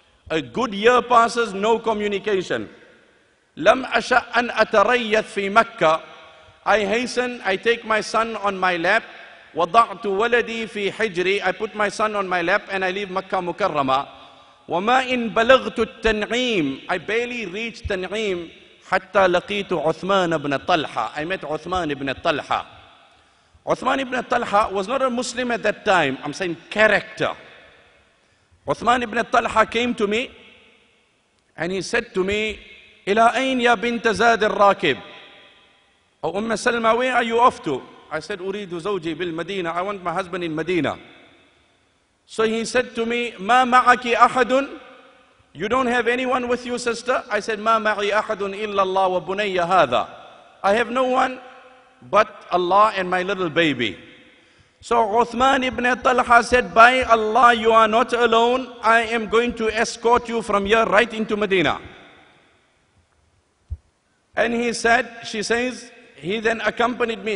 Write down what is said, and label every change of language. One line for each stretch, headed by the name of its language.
English: A good year passes, no communication.
Arabic: لم أشأ أن أتريث في مكة.
English: I hasten, I take my son on my lap.
Arabic: وضعت ولدي في حجري.
English: I put my son on my lap and I leave مكة مكرمة.
Arabic: وما إن بلغت التنعيم.
English: I barely reached تنعيم حتى لقيت عثمان بن طلحة. I met عثمان بن طلحة. عثمان بن طلحة was not a Muslim at that time. I'm saying character. عثمان بن طلحة came to me and he said to me,
Arabic: إلى أين يا بنت زاد الراكب؟ أو أم سلمة,
English: where are you off to? I said,
Arabic: أريد زوجي بالمدينة.
English: I want my husband in Medina. So he said to me,
Arabic: ما معك أحد؟
English: You don't have anyone with you, sister? I said,
Arabic: ما معي أحد إلا الله وبني هذا.
English: I have no one but Allah and my little baby. So عثمان بن طلحة said, by Allah, you are not alone. I am going to escort you from here right into Medina. And he said, she says, he then accompanied me.